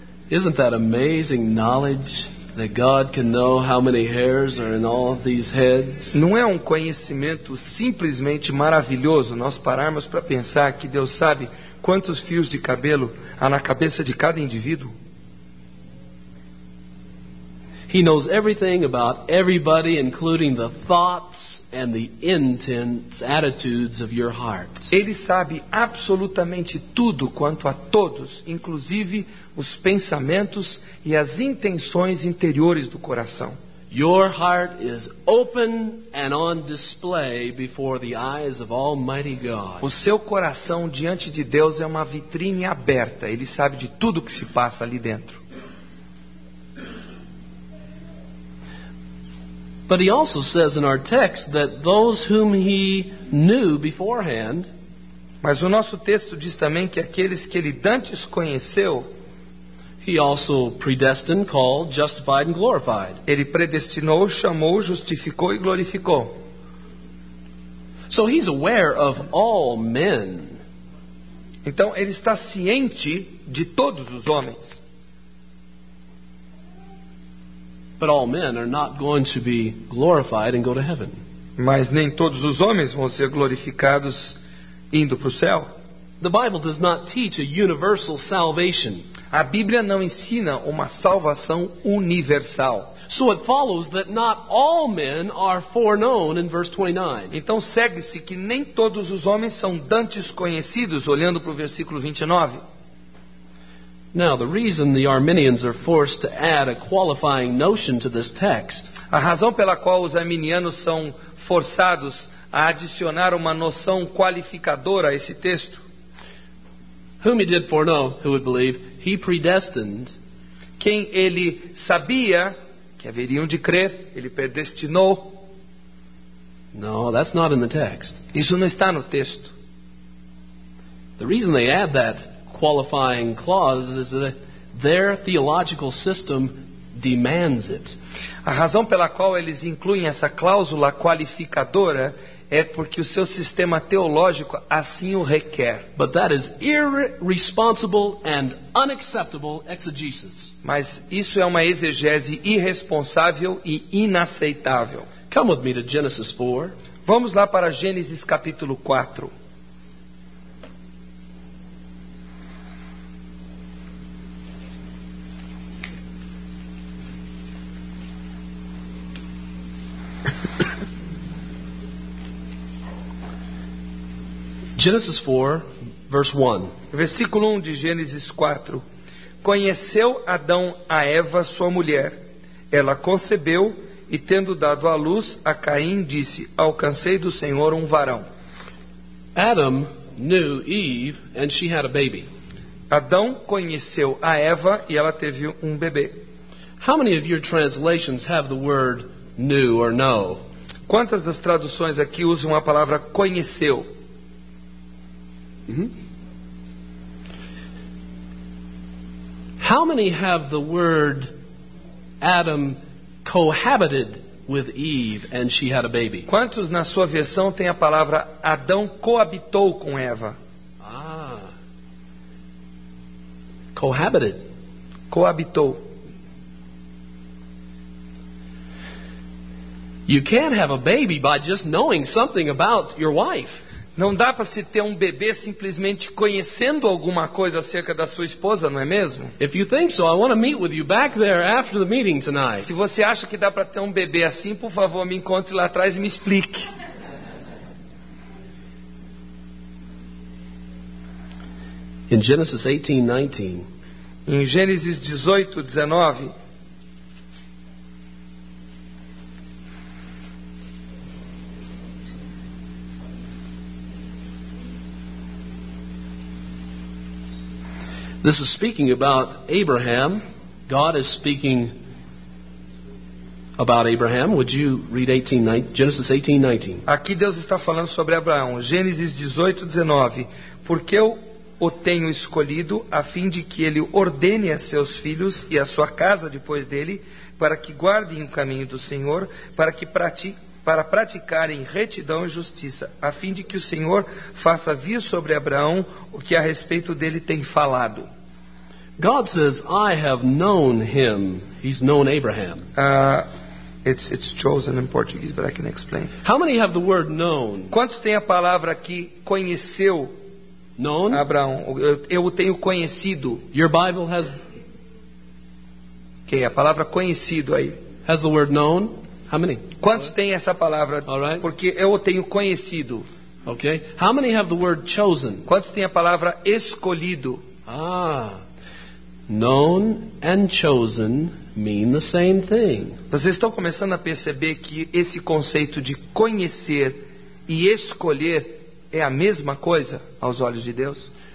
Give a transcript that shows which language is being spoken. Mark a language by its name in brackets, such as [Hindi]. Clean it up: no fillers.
[English] Isn't that amazing knowledge that God can know how many hairs are in all of these heads? [Portuguese] Não é um conhecimento simplesmente maravilhoso nós pararmos para pensar que Deus sabe quantos fios de cabelo há na cabeça de cada indivíduo? [English] He knows everything about everybody, including the thoughts and the intents, attitudes of your heart. [Portuguese] Ele sabe absolutamente tudo quanto a todos, inclusive os pensamentos e as intenções interiores do coração. [English] Your heart is open and on display before the eyes of Almighty God. [Portuguese] O seu coração diante de Deus é uma vitrine aberta. Ele sabe de tudo que se passa ali dentro. [English] But he also says in our text that those whom he knew beforehand. [Portuguese] Mas o nosso texto diz também que aqueles que ele dantes conheceu, [English] he also predestined, called, justified and glorified. [Portuguese] Ele predestinou, chamou, justificou e glorificou. [English] So he's aware of all men. [Portuguese] Então ele está ciente de todos os homens. [English] But all men are not going to be glorified and go to heaven. [Portuguese] Mas nem todos os homens vão ser glorificados indo para o céu. [English] The Bible does not teach a universal salvation. [Portuguese] A Bíblia não ensina uma salvação universal. [English] So it follows that not all men are foreknown in verse 29. [Portuguese] Então segue-se que nem todos os homens são dantes conhecidos, olhando para o versículo 29. [English] Now the reason the Arminians are forced to add a qualifying notion to this text. [Portuguese] A razão pela qual os arminianos são forçados a adicionar uma noção qualificadora a esse texto. [English] Whom he did foreknow, who would believe, he predestined. [Portuguese] Quem ele sabia que haveriam de crer, ele predestinou. [English] No, that's not in the text. [Portuguese] Isso não está no texto. [English] The reason they add that qualifying clause is that their theological system demands it. [Portuguese] A razão pela qual eles incluem essa cláusula qualificadora é porque o seu sistema teológico assim o requer. [English] But that is irresponsible and unacceptable exegesis. [Portuguese] Mas isso é uma exegese irresponsável e inaceitável. [English] Come with me to Genesis 4. [Portuguese] Vamos lá para Gênesis capítulo 4. [English] Genesis 4, verse 1. [Portuguese] Versículo 1 de Gênesis 4. Conheceu Adão a Eva, sua mulher. Ela concebeu e, tendo dado à luz a Caim, disse: alcancei do Senhor um varão. [English] Adam knew Eve and she had a baby. [Portuguese] Adão conheceu a Eva e ela teve um bebê. [English] How many of your translations have the word knew or know? [Portuguese] Quantas das traduções aqui usam a palavra conheceu? Mm-hmm. [English] How many have the word Adam cohabited with Eve and she had a baby? [Portuguese] Quantos na sua versão tem a palavra Adão coabitou com Eva? Ah. [English] Cohabited. [Portuguese] Coabitou. [English] You can't have a baby by just knowing something about your wife. [Portuguese] Não dá para se ter um bebê simplesmente conhecendo alguma coisa acerca da sua esposa, não é mesmo? [English] If you think so, I want to meet with you back there after the meeting tonight. [Portuguese] Se você acha que dá para ter um bebê assim, por favor, me encontre lá atrás e me explique. [English] In Genesis 18:19. [Portuguese] Em Gênesis 18:19. [English] This is speaking about Abraham. God is speaking about Abraham. Would you read 18:19? Genesis 18:19. [Portuguese] Aqui Deus está falando sobre Abraão. Gênesis 18:19. Porque eu o tenho escolhido a fim de que ele ordene a seus filhos e a sua casa depois dele, para que guardem o caminho do Senhor, para que praticarem retidão e justiça, a fim de que o Senhor faça vir sobre Abraão o que a respeito dele tem falado. [English] God says, I have known him. He's known Abraham. It's chosen in Portuguese, but I can explain. How many have the word known? [Portuguese] Quantos têm a palavra aqui conheceu? [English] Known? [Portuguese] Abraão. Eu o tenho conhecido. [English] Your Bible has. [Portuguese] Okay, a palavra conhecido aí. [English] Has the word known? How many? [Portuguese] Quantos têm essa palavra? [English] All right. [Portuguese] Porque eu o tenho conhecido. [English] Okay. How many have the word chosen? [Portuguese] Quantos têm a palavra escolhido? Ah. [English] Known and chosen mean the same thing. [Portuguese] Vocês estão começando a perceber que esse conceito de conhecer e escolher é a mesma coisa aos olhos de Deus?